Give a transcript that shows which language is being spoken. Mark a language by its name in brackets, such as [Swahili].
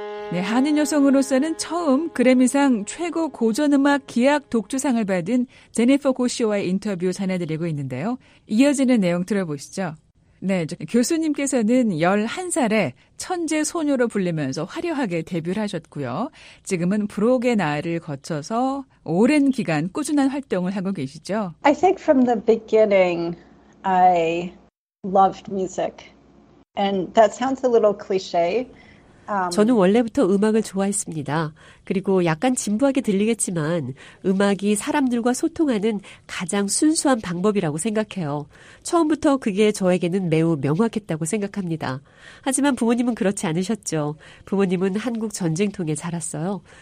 [Korean] 네, 한인 여성으로서는 처음 그래미상 최고 고전음악 기악 독주상을 받은 제니퍼 고 씨와의 인터뷰 전해드리고 있는데요. 이어지는 내용 들어보시죠. 네, 교수님께서는 11살에 천재 소녀로 불리면서 화려하게 데뷔를 하셨고요. 지금은 불혹의 나이를 거쳐서 오랜 기간 꾸준한 활동을 하고 계시죠. [English] I think from the beginning I loved music. And that sounds a little cliché. [Korean] 저는 원래부터 음악을 좋아했습니다. 그리고 약간 진부하게 들리겠지만 음악이 사람들과 소통하는 가장 순수한 방법이라고 생각해요. 처음부터 그게 저에게는 매우 명확했다고 생각합니다. 하지만 부모님은 그렇지 않으셨죠. 부모님은 한국 전쟁통에 자랐어요.